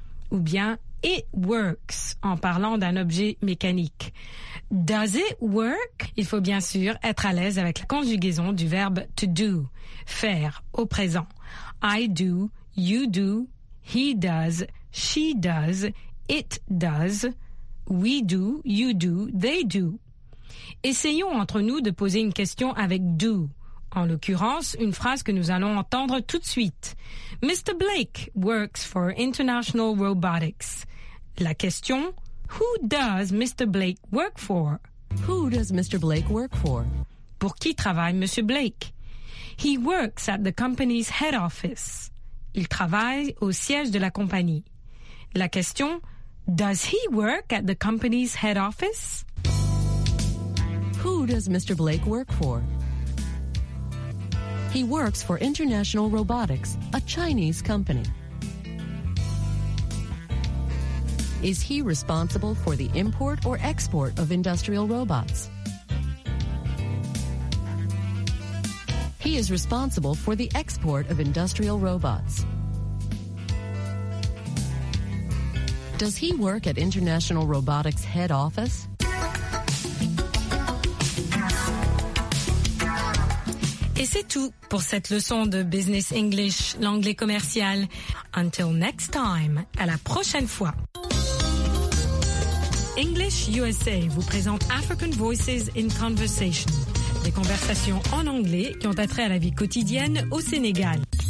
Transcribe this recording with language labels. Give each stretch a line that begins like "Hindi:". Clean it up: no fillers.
French: Ou bien
English: it works
French: en parlant d'un objet mécanique.
English: Does it work?
French: Il faut bien sûr être à l'aise avec la conjugaison du verbe
English: to do,
French: faire au présent.
English: I do, you do, he does, she does, it does, we do, you do, they do.
French: Essayons entre nous de poser une question avec do. En l'occurrence, une phrase que nous allons entendre tout de suite.
English: Mr. Blake works for International Robotics.
French: La question,
English: who does Mr. Blake work for? Who does Mr. Blake work for?
French: Pour qui travaille Monsieur Blake?
English: He works at the company's head office.
French: Il travaille au siège de la compagnie. La question,
English: does he work at the company's head office? Who does Mr. Blake work for? He works for International Robotics, a Chinese company. Is he responsible for the import or export of industrial robots? He is responsible for the export of industrial robots. Does he work at International Robotics head office?
French: Et c'est tout pour cette leçon de Business English, l'anglais commercial.
English: Until next time,
French: à la prochaine fois. English USA vous présente African Voices in Conversation, des conversations en anglais qui ont attrait à la vie quotidienne au Sénégal.